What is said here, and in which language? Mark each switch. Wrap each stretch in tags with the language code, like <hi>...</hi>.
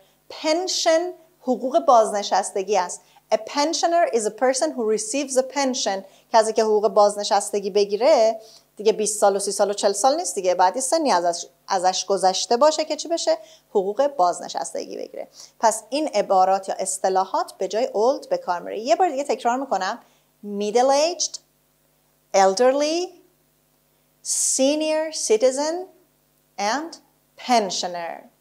<fa>Pension حقوق بازنشستگی است.</fa> <en>A pensioner is a person who receives a pension.</en> <fa>کسی که حقوق بازنشستگی بگیره دیگه 20 سال و 30 سال و 40 سال نیست دیگه، بعدی سنی ازش گذشته باشه که چی بشه؟ حقوق بازنشستگی بگیره. پس این عبارات یا اصطلاحات به جای old به کار میره. یه بار دیگه تکرار میکنم:</fa> <en>middle-aged, elderly, senior citizen and pensioner.</en>